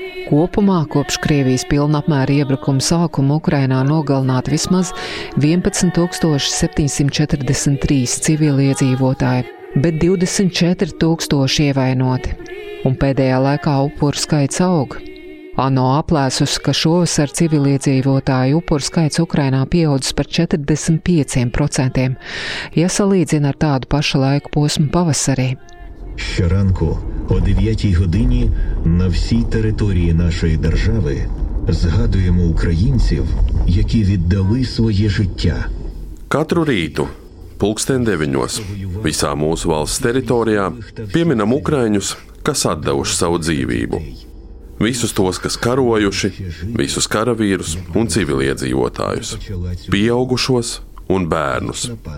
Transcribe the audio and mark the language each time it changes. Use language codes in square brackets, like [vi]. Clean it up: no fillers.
[lv] Kopumā kopš Krievijas pilnapmēra iebrukuma sākuma Ukrainā nogalināti vismaz 11743 civiliedzīvotāji, bet 24000 ievainoti. Un pēdējā laikā upuru skaits aug. ANO aplēsus, ka šovasar civiliedzīvotāju upuru skaits Ukrainā pieaudzis par 45%, ja salīdzina ar tādu pašu laiku posmu pavasarī. [uk] Щоранку о 9-й годині на всій території нашої держави згадуємо українців, які віддали своє життя [lv] Katru rītu, pulksten 9:00, visā mūsu valsts teritorijā pieminam ukraiņus, kas atdevuši savu dzīvību. Visus tos, kas karojuši, visus karavīrus un civiliedzīvotājus, pieaugušos un bērnus.